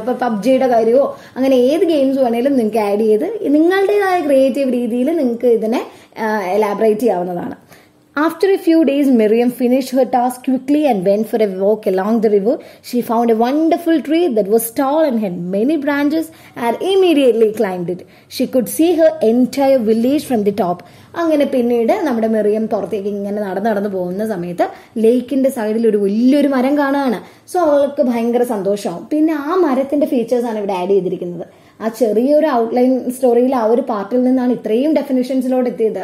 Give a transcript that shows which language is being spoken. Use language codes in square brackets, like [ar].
[ml] ഇപ്പോൾ പബ്ജിയുടെ കാര്യമോ അങ്ങനെ ഏത് ഗെയിംസ് വേണേലും നിങ്ങൾക്ക് ആഡ് ചെയ്ത് നിങ്ങളുടേതായ ക്രിയേറ്റീവ് രീതിയിൽ നിങ്ങൾക്ക് ഇതിനെ എലാബറേറ്റ് ചെയ്യാവുന്നതാണ്. [en] After a few days, Miriam finished her task quickly and went for a walk along the river. She found a wonderful tree that was tall and had many branches and immediately climbed it. She could see her entire village from the top. [ml] അങ്ങനെ പിന്നീട് നമ്മുടെ Miriam പുറത്തേക്ക് ഇങ്ങനെ നടന്നു നടന്നു പോകുന്ന സമയത്ത് ലേക്കിന്റെ സൈഡിൽ ഒരു വലിയൊരു മരം കാണുകയാണ്. സോ അവൾക്ക് ഭയങ്കര സന്തോഷമാവും. പിന്നെ ആ മരത്തിന്റെ ഫീച്ചേഴ്സ് ആണ് ഇവിടെ ആഡ് ചെയ്തിരിക്കുന്നത്. ആ ചെറിയൊരു ഔട്ട്ലൈൻ സ്റ്റോറിയിൽ ആ ഒരു പാർട്ടിൽ നിന്നാണ് ഇത്രയും ഡെഫിനേഷൻസിലോട് എത്തിയത്.